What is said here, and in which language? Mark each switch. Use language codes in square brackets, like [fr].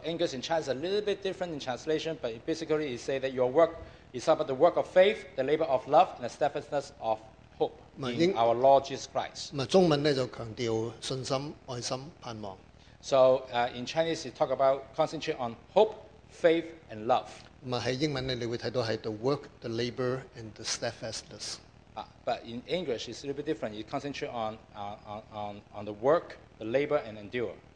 [en] English and Chinese a little bit different in translation, but basically it say that your work is about the work of faith, the labor of love, and the steadfastness of hope in our Lord Jesus Christ. [zh] 咁啊，中文咧就強調信心、愛心、盼望。So [en] in Chinese, you talk about concentrate on hope, faith, and love. [zh] 咁啊喺英文咧，你會睇到係 [en] the work, the labor, and the steadfastness。 But in English, it's a little bit different. You concentrate on the work, the labor, and endure.